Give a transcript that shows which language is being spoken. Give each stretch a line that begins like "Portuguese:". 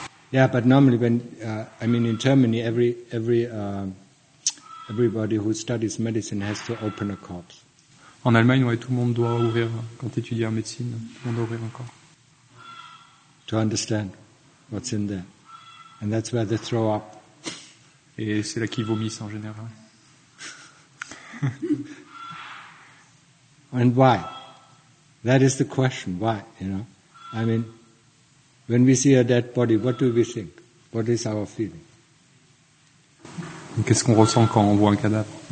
English: Yeah, but normally in Germany, everybody who studies medicine has to open a corpse.
French: En Allemagne, ouais, tout le monde doit ouvrir, quand tu étudies en médecine, tout le monde doit ouvrir un corps.
English: To understand what's in there. And that's where they throw up.
French: Et c'est là qu'ils vomissent en général.
English: And why? That is the question, why, you know? I mean, when we see a dead body, what do we think? What is our feeling?
French: Qu'est-ce qu'on ressent quand on voit un cadavre?